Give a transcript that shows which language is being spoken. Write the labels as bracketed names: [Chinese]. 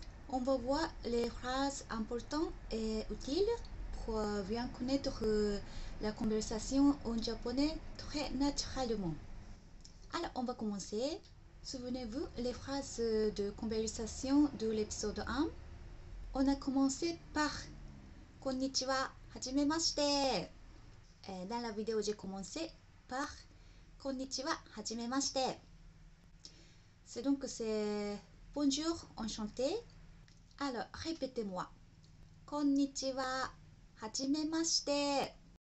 [French] On va voir les phrases importantes et utiles pour bien connaître la conversation en japonais très naturellement. Alors, on va commencer. Souvenez-vous les phrases de conversation de l'épisode 1? On a commencé par [Japanese] こんにちは、はじめまして。 [French] Dans la vidéo, j'ai commencé par [Japanese] こんにちは、はじめまして。 [French] C'est donc c'est bonjour, enchanté. Alors, répétez-moi. [Japanese] こんにちは、はじめまして。